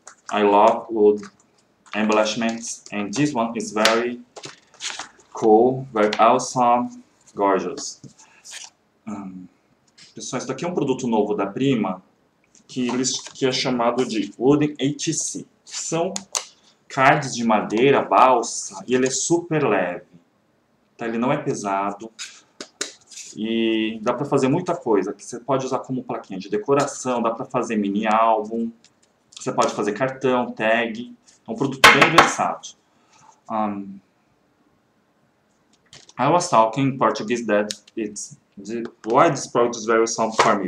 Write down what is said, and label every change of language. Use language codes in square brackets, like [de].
[en] I love wood embellishments, and this one is very cool, very awesome, gorgeous. [pt] Pessoal, isso aqui é um produto novo da Prima que é chamado de wooden HEC. São cards de madeira, balsa, e ele é super leve. Tá? Ele não é pesado. E dá para fazer muita coisa. Você pode usar como plaquinha de decoração, dá para fazer mini álbum. Você pode fazer cartão, tag. É um produto bem versátil. [en] I was talking in Portuguese that it's why this product is very awesome for me.